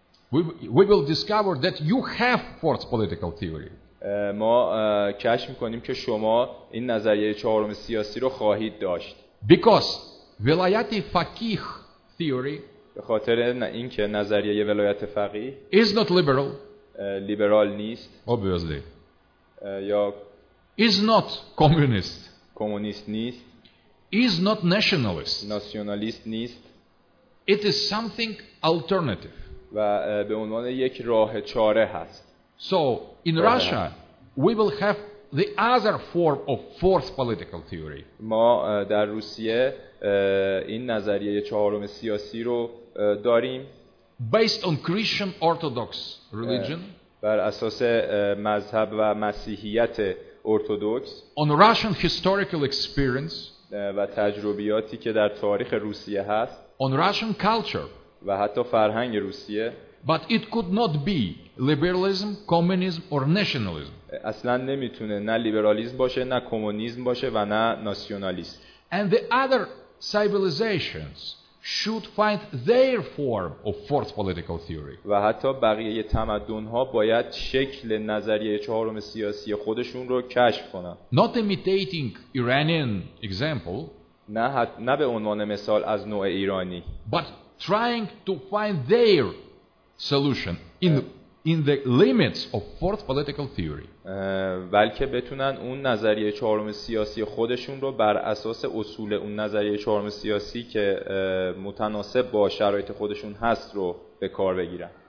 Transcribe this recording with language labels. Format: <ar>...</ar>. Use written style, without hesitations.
<en>we will discover that you have fourth political theory</en> <fa>ما کشف می‌کنیم که شما این نظریه چهارم سیاسی رو خواهید داشت</fa> <en>because ولایت فقیه theory</en> <fa>به خاطر اینکه نظریه ولایت فقیه</fa> <en>is not liberal</en> <fa>لیبرال نیست</fa> <en>obviously</en> <fa>یا</fa> <en>is not communist</en> <fa>کمونیست نیست</fa> <en>is not nationalist</en> <fa>ناسیونالیست نیست</fa> <en>it is something alternative</en> <fa>و به عنوان یک راه چاره هست.</fa> <en>So in Russia we will have the other form of fourth political theory.</en> <fa>ما در روسیه این نظریه چهارم سیاسی رو داریم.</fa> <en>Based on Christian Orthodox religion.</en> <fa>بر اساس مذهب و مسیحیت ارتدوکس.</fa> <en>On Russian historical experience.</en> <fa>و تجربیاتی که در تاریخ روسیه هست.</fa> <en>On Russian culture.</en> <fa>و حتی فرهنگ روسیه</fa> <en>but it could not be liberalism communism or nationalism</en> <fa>اصلا نمیتونه نه لیبرالیسم باشه نه کمونیسم باشه و نه ناسیونالیسم</fa> <en>and the other civilizations should find their form of fourth political theory</en> <fa>و حتی بقیه تمدن ها باید شکل نظریه چهارم سیاسی خودشون رو کشف کنن</fa> <en>not imitating Iranian example</en> <fa>نه به عنوان مثال از نوع ایرانی</fa> <en>but trying to find their solution in the limits of fourth political theory</en> <fa>بلکه بتونن اون نظریه چهارم سیاسی خودشون رو بر اساس اصول اون نظریه چهارم سیاسی که متناسب با شرایط خودشون هست رو به کار بگیرن</fa>